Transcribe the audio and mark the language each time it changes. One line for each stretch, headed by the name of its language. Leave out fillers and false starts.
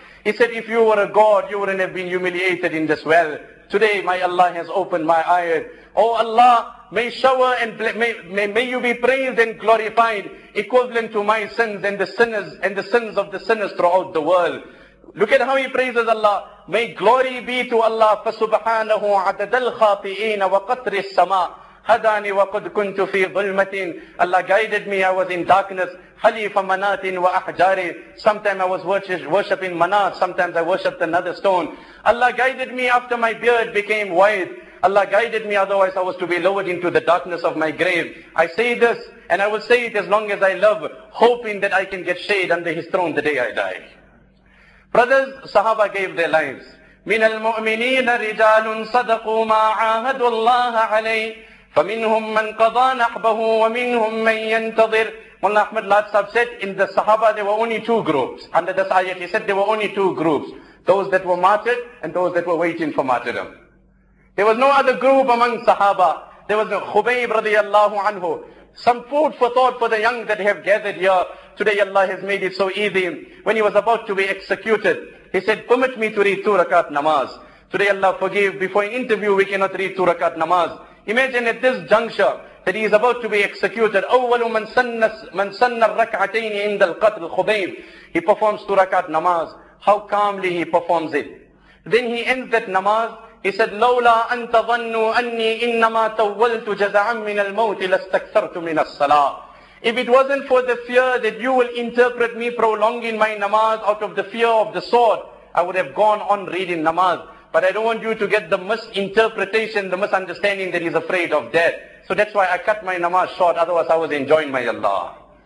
English: He said, if you were a god, you wouldn't have been humiliated in this well. Today my Allah has opened my eyes. Oh Allah, may shower and may you be praised and glorified, equivalent to my sins and the sinners and the sins of the sinners throughout the world. Look at how he praises Allah. May glory be to Allah.
Arabic: فَسُبْحَانَهُ عَدَدَ الْخَاطِئِينَ وَقَطْرِ السَّمَاءِ هَدَانِي وَقَدْ كُنْتُ فِي ظُلْمَةٍ
English: Allah guided me, I was in darkness.
Arabic: حَلِيفَ مَنَاتٍ وَأَحْجَارِ
English: Sometimes I was worshipping manat, sometimes I worshipped another stone. Allah guided me after my beard became white. Allah guided me, otherwise I was to be lowered into the darkness of my grave. I say this, and I will say it as long as I live, hoping that I can get shade under His throne the day I die. Brothers, Sahaba gave their lives.
Arabic: مِنَ الْمُؤْمِنِينَ رِجَالٌ صَدَقُوا مَا عَاهَدُوا اللَّهَ عَلَيْهِ فَمِنْهُمْ مَنْ قَضَى نَحْبَهُ وَمِنْهُمْ مَنْ يَنْتَظِرُ
English: Mullah Ahmad Latsab said, in the Sahaba there were only two groups. Under this ayat he said there were only two groups. Those that were martyred and those that were waiting for martyrdom. There was no other group among Sahaba. There was no Khubayb radiallahu anhu. some food for thought for the young that have gathered here. Today Allah has made it so easy. When he was about to be executed, he said, permit me to read 2 rakat namaz. Today Allah forgive, before an interview we cannot read 2 rakat namaz. Imagine at this juncture that he is about to be executed.
Arabic: أول من سن الركعتين عند القتل خبيب.
English: He performs 2 rakat namaz. How calmly he performs it. Then he ends that namaz. He said,
Arabic: لولا أن تظنوا أني إنما تولت جزعا من الموت لاستكثرت من الصلاة.
English: If it wasn't for the fear that you will interpret me prolonging my namaz out of the fear of the sword, I would have gone on reading namaz. But I don't want you to get the misinterpretation, the misunderstanding that he's afraid of death. So that's why I cut my namaz short, otherwise I was enjoying my Allah.